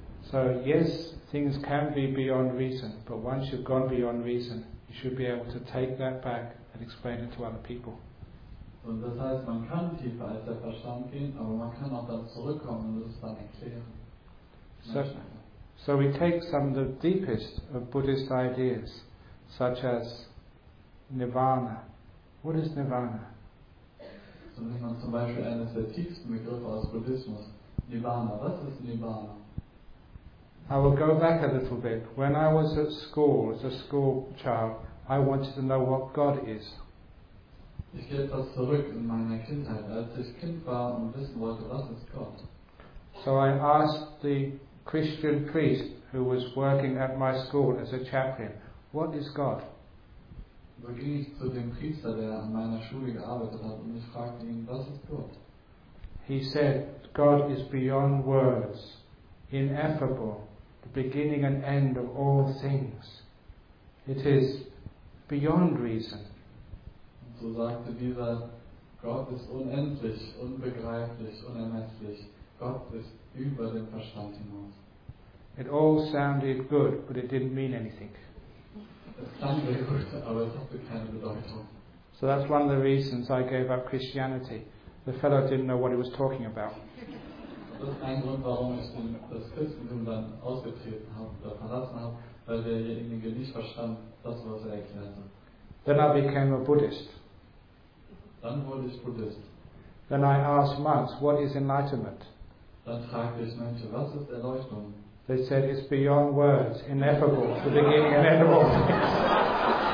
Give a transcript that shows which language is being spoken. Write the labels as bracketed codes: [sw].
[en] So yes, things can be beyond reason, but once you've gone beyond reason, you should be able to take that back and explain it to other people. [de] Und das heißt, man kann tiefer als der Verstand gehen, aber man kann auch dann zurückkommen und es dann erklären. [en] So we take some of the deepest of Buddhist ideas, such as Nirvana. What is Nirvana? [de] So nimmt man zum Beispiel eines der tiefsten Begriffe aus Buddhismus. Nirvana. Was ist Nirvana? [en] I will go back a little bit. When I was at school, as a school child, I wanted to know what God is. [de] Ich gehe etwas zurück in meiner Kindheit, als ich Kind war und wissen wollte, was ist Gott. [en] So I asked the Christian priest who was working at my school as a chaplain, what is God? [de] So ging ich zu dem Priester, der an meiner Schule gearbeitet hat, und ich fragte ihn, was ist Gott? [en] He said, God is beyond words. Ineffable, the beginning and end of all things. It is beyond reason. [de] So sagte dieser, Gott ist unendlich, unbegreiflich, unermesslich. Gott ist über den Verstand hinaus. [en] It all sounded good, but it didn't mean anything. [de] Es klang sehr gut, aber es hatte keine Bedeutung. [en] So that's one of the reasons I gave up Christianity. The fellow didn't know what he was talking about. [de] Das ist ein Grund, warum ich das Christentum dann ausgetreten habe oder verlassen habe, weil derjenige nicht verstand, das, was er erklärte. [en] Then I became a Buddhist. [de] Dann wurde ich Buddhist. [en] Then I asked monks, what is enlightenment? [de] Dann fragte ich Menschen, was ist Erleuchtung? [en] They said, it's beyond words, ineffable, the beginning and end of all